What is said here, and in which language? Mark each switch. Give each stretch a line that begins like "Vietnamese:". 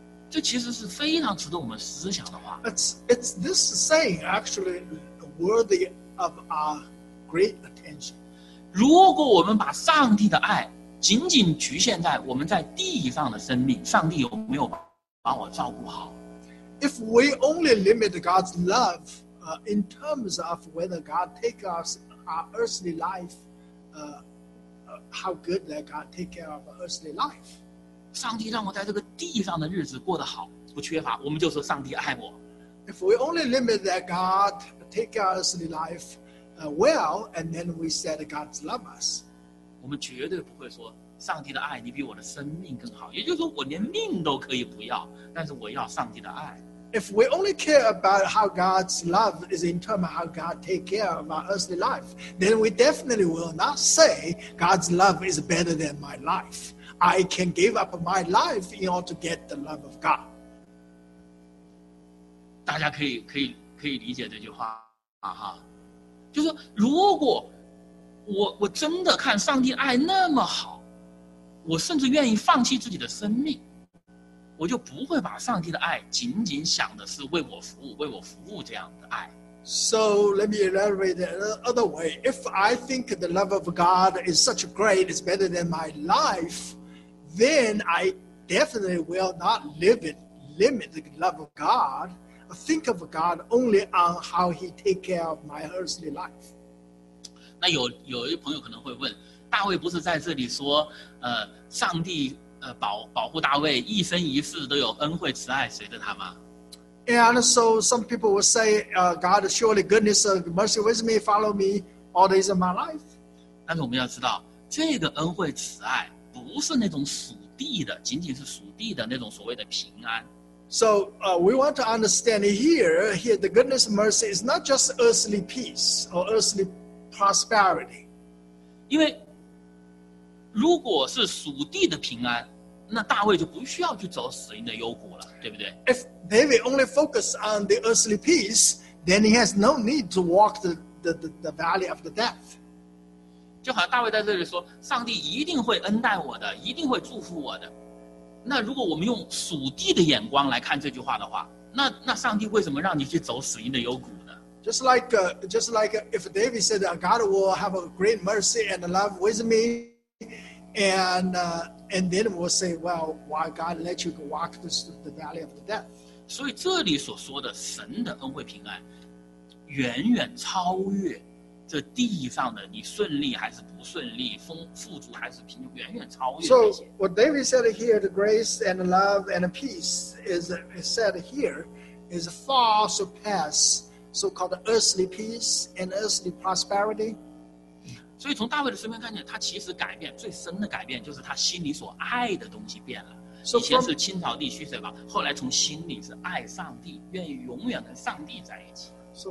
Chinese: 这其实是非常值得我们思想的话。
English: It's this saying actually worthy of our great attention.
Chinese: 如果我们把上帝的爱仅仅局限在我们在地上的生命，上帝有没有把我照顾好
English: ？If we only limit God's love, in terms of whether God take us. Our earthly life, how good that God take care of our earthly life.
Chinese: 上帝让我在这个地上的日子过得好，不缺乏，我们就说上帝爱我。
English: If we only limit that God take care of earthly life, well, and then we said God love us.
Chinese: 我们绝对不会说上帝的爱你比我的生命更好，也就是说我连命都可以不要，但是我要上帝的爱。
English: If we only care about how God's love is in terms of how God take care of our earthly life, then we definitely will not say God's love is better than my life. I can give up my life in order to get the love of God.
Chinese: 大家可以理解这句话啊哈，就是如果我真的看上帝爱那么好，我甚至愿意放弃自己的生命。我就不会把上帝的爱仅仅想的是为我服务，为我服务这样的爱。
English: So let me elaborate the other way. If I think the love of God is such great, it's better than my life, then I definitely will not limit the love of God. Think of God only on how He take care of my earthly life.
Chinese: 那有一朋友可能会问，大卫不是在这里说，上帝。保护大卫一生一世都有恩惠慈爱随着他吗
English: ？And so some people will say, "God, surely goodness, mercy with me, follow me all days of my life."
Chinese: 但是我们要知道，这个恩惠慈爱不是那种属地的，仅仅是属地的那种所谓的平安。
English: So, we want to understand here, the goodness, mercy is not just earthly peace or earthly prosperity.
Chinese: 因为如果是属地的平安，那大卫就不需要去走死荫的幽谷了，对不对
English: ？If David only focuses on the earthly peace, then he has no need to walk the valley of the death.
Chinese: 就好像大卫在这里说，上帝一定会恩待我的，一定会祝福我的。那如果我们用属地的眼光来看这句话的话，那上帝为什么让你去走死荫的幽谷？
English: Just like if David said, "God will have a great mercy and love with me." And then we'll say, well, why God let you walk this, the valley of the death?
Chinese: 所以这里所说的神的恩惠平安，远远超越这地上的你顺利还是不顺利，丰富足还是贫穷，远远超越。
English: So what David said here, the grace and love and peace is said here is far surpass so-called earthly peace and earthly prosperity.
Chinese: 所以从大卫的身边看见，他其实改变最深的改变就是他心里所爱的东西变了。以前是倾倒地虚水吧，后来从心里是爱上帝，愿意永远跟上帝在一起。
English: So